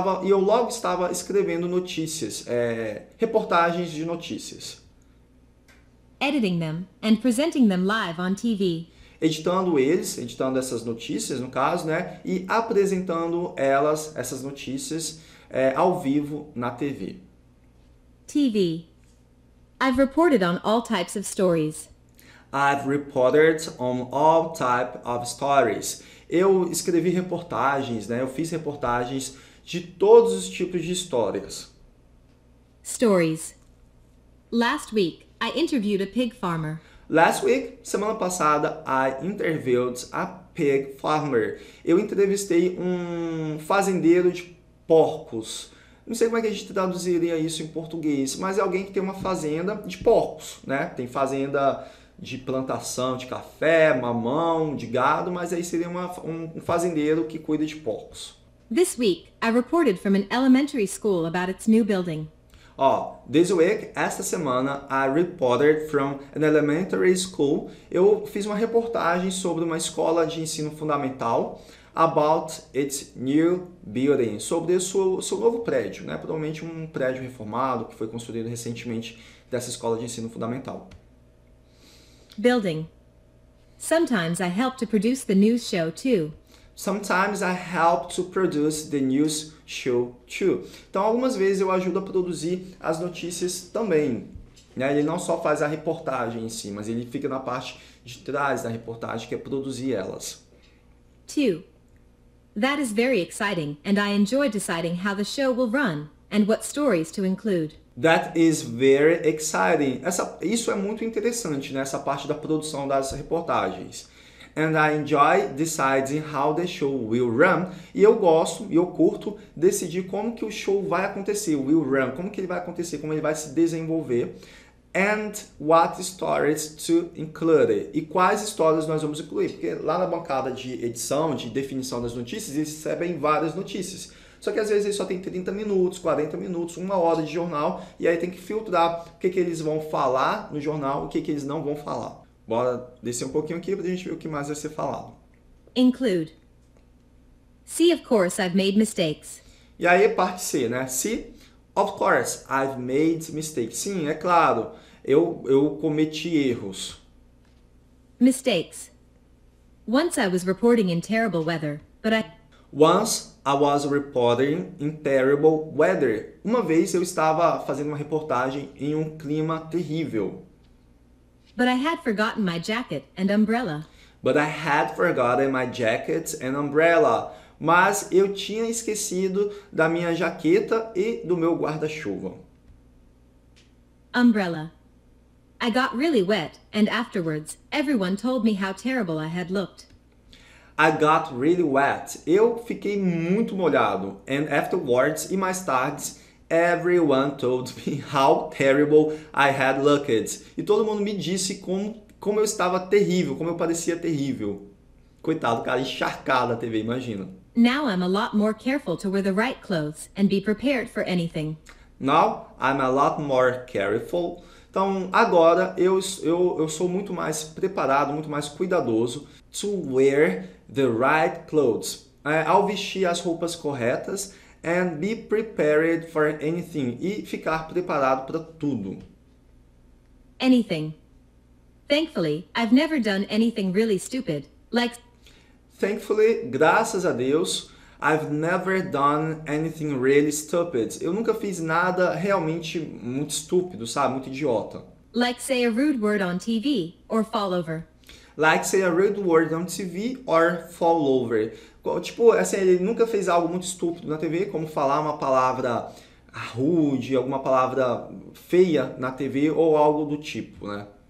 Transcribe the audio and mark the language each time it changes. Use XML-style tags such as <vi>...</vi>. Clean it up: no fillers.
<pt>E eu logo estava escrevendo notícias, reportagens de notícias.</pt> <en>Editing them and presenting them live on TV.</en> <pt>Editando essas notícias, no caso, né? E apresentando elas, essas notícias, ao vivo na TV.</pt> <en>TV. I've reported on all types of stories. I've reported on all types of stories.</en> <pt>Eu escrevi reportagens, né? Eu fiz reportagens de todos os tipos de histórias.</pt> <en>Stories. Last week, I interviewed a pig farmer. Last week,</en> <pt>semana passada,</pt> <en>I interviewed a pig farmer.</en> <pt>Eu entrevistei um fazendeiro de porcos. Não sei como é que a gente traduziria isso em português, mas é alguém que tem uma fazenda de porcos, né? Tem fazenda de plantação de café, mamão, de gado, mas aí seria um fazendeiro que cuida de porcos.</pt> <en>This week, I reported from an elementary school about its new building. This week,</en> <pt>esta semana,</pt> <en>I reported from an elementary school.</en> <pt>Eu fiz uma reportagem sobre uma escola de ensino fundamental</pt> <en>about its new building,</en> <pt>sobre o seu novo prédio, né? Provavelmente um prédio reformado que foi construído recentemente dessa escola de ensino fundamental.</pt> <en>Building. Sometimes I help to produce the news show too. Sometimes I help to produce the news show too.</en> <pt>Então, algumas vezes eu ajudo a produzir as notícias também. Né? Ele não só faz a reportagem em si, mas ele fica na parte de trás da reportagem, que é produzir elas.</pt> <en>Two. That is very exciting, and I enjoy deciding how the show will run and what stories to include. That is very exciting.</en> <pt>Isso é muito interessante, né? Essa parte da produção das reportagens.</pt> <en>And I enjoy deciding how the show will run.</en> <pt>E eu gosto, e eu curto, decidir como que o show vai acontecer,</pt> <en>will run.</en> <pt>Como que ele vai acontecer, como ele vai se desenvolver.</pt> <en>And what stories to include.</en> <pt>E quais histórias nós vamos incluir. Porque lá na bancada de edição, de definição das notícias, eles recebem várias notícias. Só que às vezes eles só tem 30 minutos, 40 minutos, uma hora de jornal. E aí tem que filtrar o que eles vão falar no jornal, o que eles não vão falar. Bora descer um pouquinho aqui pra gente ver o que mais vai ser falado.</pt> <en>Include. See, of course, I've made mistakes.</en> <pt>E aí, parte C, né?</pt> <en>See, of course, I've made mistakes.</en> <pt>Sim, é claro, eu cometi erros.</pt> <en>Mistakes. Once I was reporting in terrible weather, but I... Once I was reporting in terrible weather.</en> <pt>Uma vez eu estava fazendo uma reportagem em um clima terrível.</pt> <en>But I had forgotten my jacket and umbrella. But I had forgotten my jacket and umbrella.</en> <pt>Mas eu tinha esquecido da minha jaqueta e do meu guarda-chuva.</pt> <en>Umbrella. I got really wet and afterwards everyone told me how terrible I had looked. I got really wet.</en> <pt>Eu fiquei muito molhado.</pt> <en>And afterwards,</en> <pt>e mais tarde,</pt> <en>everyone told me how terrible I had looked.</en> <pt>E todo mundo me disse como eu estava terrível, como eu parecia terrível. Coitado, cara, encharcado a TV, imagina.</pt> <en>Now I'm a lot more careful to wear the right clothes and be prepared for anything. Now I'm a lot more careful.</en> <pt>Então, agora eu sou muito mais preparado, muito mais cuidadoso</pt> <en>to wear the right clothes.</en> <pt>Ao vestir as roupas corretas</pt> <en>And be prepared for anything.</en> <pt>E ficar preparado para tudo.</pt> <en>Anything. Thankfully, I've never done anything really stupid, like... Thankfully,</en> <pt>graças a Deus,</pt> <en>I've never done anything really stupid.</en> <pt>Eu nunca fiz nada realmente muito estúpido, sabe? Muito idiota.</pt> <en>Like say a rude word on TV or fall over. Like say a rude word on TV or fall over.</en> <pt>Tipo, assim, ele nunca fez algo muito estúpido na TV, como falar uma palavra rude, alguma palavra feia na TV ou algo do tipo, né?</pt>